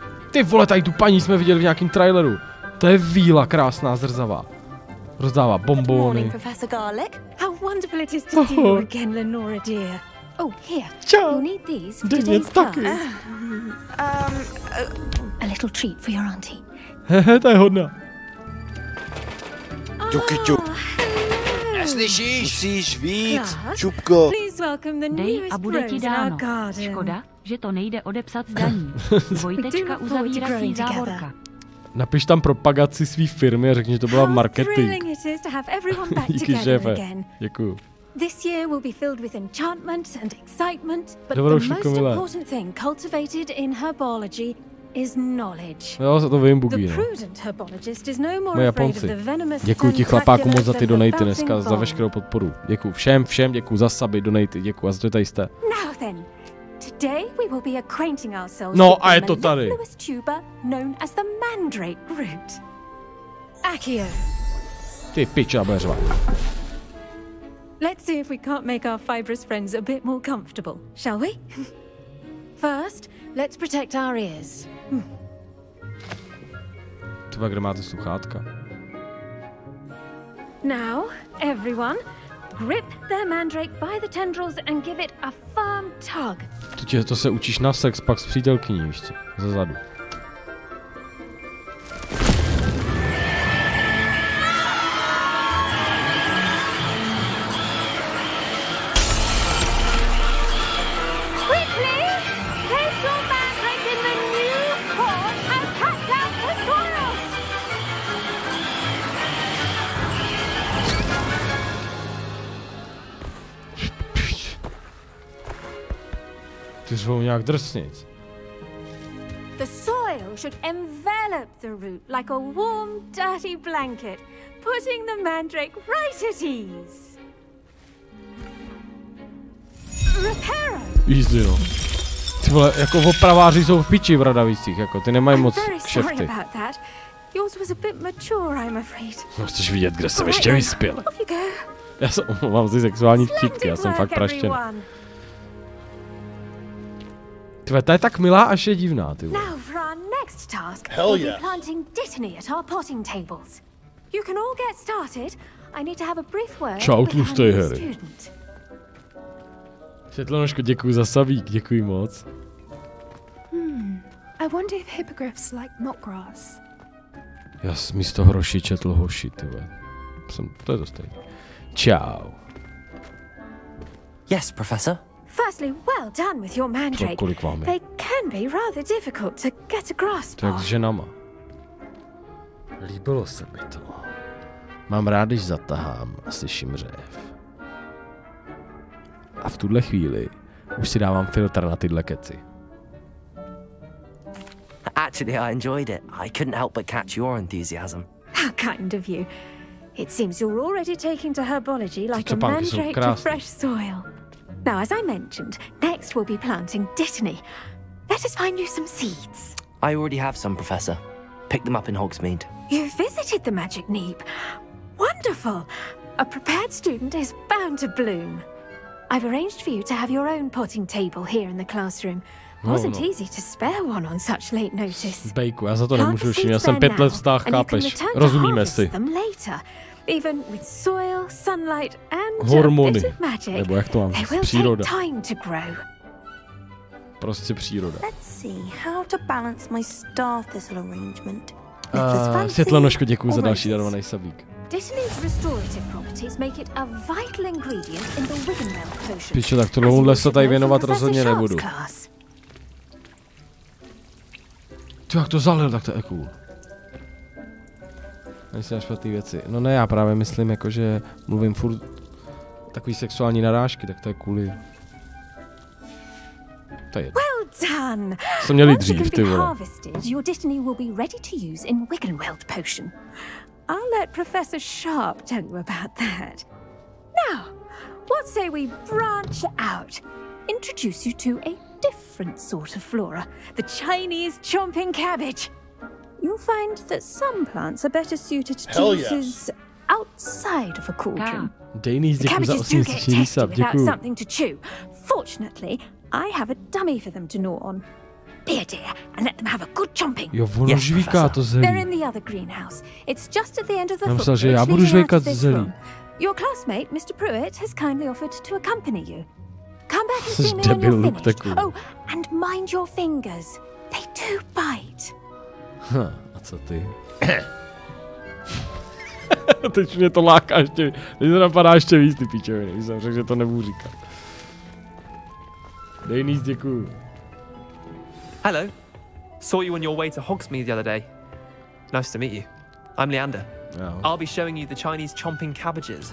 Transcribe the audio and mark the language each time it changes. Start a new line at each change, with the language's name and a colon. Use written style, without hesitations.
Czech: Ty vole, tady tu paní jsme viděli v nějakým traileru. To je víla krásná, zrzavá. Rozdává bombony.
English: Good morning, Professor Garlic. How wonderful it is to see you again, Lenora dear. Oh, here.
Czech: Čau.
English: You need these for today's class.
Czech: Taky.
English: A little treat for your auntie.
Czech: Hehe, to je hodná. Čuky, čuk. Neslyšíš? Musíš víc, Klas? Čupko.
English: Please welcome the newest
Czech: a bude ti dáno. Škoda, že to nejde odepsat z daní. Dvojtečka uzavírací závorka. Napiš tam propagaci svý firmy a řekni, že to byla marketing. Díky, šéfe. Děkuju.
English: This year will be filled with enchantment and excitement, but the most important thing cultivated in herbology is knowledge.
Czech: Jo, za to vím, Bugi, no.
English: The prudent herbologist is no more afraid of the venomous.
Czech: Děkuji ti, chlapáku, moc za ty donaty dneska, za veškerou podporu. Děkuji všem, děkuji za suby, donaty, děkuji, a za to je tady jste.
English: Now then, today we will be acquainting ourselves
Czech: no,
English: with
Czech: a je to tady.
English: The malignous tuber known as the mandrake root. Accio.
Czech: Ty piča, beřva.
English: Let's see if we can't make our fibrous friends a bit more comfortable, shall we? First, let's protect our ears.
Czech: Tuba, kde máte sluchátka?
English: Now, everyone, grip their mandrake by the tendrils and give it a firm tug.
Czech: Tudě, to se učíš na sex pak s přítelkyní, víš co? Zezadu. Nějak drsnit.
English: The soil should envelop the root like a warm, dirty blanket, putting the mandrake right at ease. Repairer. Easy, no.
Czech: Ty vole, jako opraváři jsou v piči v Radavicích, jako ty nemají moc kšefty.
English: Yours was a bit mature, I'm afraid.
Czech: No, chceš vidět, kde jsem ještě vyspěl. Já se omlouvám za sexuální vtipky, já jsem fakt praštěný. Tve, ta je tak milá, až je divná, ty vole.
English: Now for our next task, hell we'll be planting dittany at our potting tables. You can all get started. I need to have a brief word.
Czech: Čau, tlustej, Harry. Světlonožko, děkuji za savík, děkuji moc.
English: I wonder if hippogriffs like mock grass.
Czech: Já jsem místo hroši četl hoši, ty vole. Jsem, to je to stejné. Čau.
English: Yes, professor. Firstly, well done with your mandrake. They can be rather difficult to get a grasp
Czech: on. Takže nama. Líbilo se mi to. Mám rád, když zatahám a slyším řev. A v tuhle chvíli už si dávám filtr na tyhle keci.
English: Actually, I enjoyed it. I couldn't help but catch your enthusiasm. How kind of you. It seems you're already taking to herbology like a mandrake to fresh soil. Now, as I mentioned, next we'll be planting dittany. Let us find you some seeds. I already have some, Professor. Pick them up in Hogsmeade. You visited the magic neep. Wonderful! A prepared student is bound to bloom. I've arranged for you to have your own potting table here in the classroom. Wasn't easy to spare one on such late notice.
Czech: Bejku, já za to nemůžu učinit, já jsem pět let vztah, chápeš? Rozumíme si.
English: Even with soil, sunlight and hormony, a bit of magic,
Czech: nebo jak to mám, příroda.
English: Time to grow.
Czech: Prostě příroda.
English: Let's see how to balance my star thistle arrangement.
Czech: Světlenoško, děkuji za další darovaný sabík.
English: Dittany's restorative properties make it a vital ingredient in the wigandell potion.
Czech: Píču, tak tohle se tady věnovat rozhodně nebudu. Ty, jak to zalil, tak to je cool. Myslím na špatný věci. No ne, já právě myslím jako, že mluvím furt takový sexuální narážky, tak to je kvůli... To je jedno. Jsem měl jít dřív, ty vole.
English: Your dittany will be ready to use in Wiganweld potion. I'll let Professor Sharp tell you about that. Now, what say we branch out? Introduce you to a different sort of flora. The Chinese chomping cabbage. You'll find that some plants are better suited to juices outside of a cauldron. Danny's the cabbages do get tasty without something to chew. Fortunately, I have a dummy for them to gnaw on. Be a dear and let them have a good chomping.
Czech: Jo, ono žvíká to zelí.
English: They're in the other greenhouse. It's just at the end of the footbridge.
Czech: Myslím, že já budu žvíkat zelí.
English: Your classmate, Mr. Pruitt, has kindly offered to accompany you. Come back and see me when you're finished. Oh, and mind your fingers. They do bite.
Czech: A co ty? Teď mě to láká ještě, teď to napadá ještě víc, ty píčoviny, jsem řekl, že to nebudu říkat. Dej nic, děkuju.
English: Hello. Saw you on your way to Hogsmeade the other day. Nice to meet you. I'm Leander.
Czech: Jo.
English: I'll be showing you the Chinese chomping cabbages.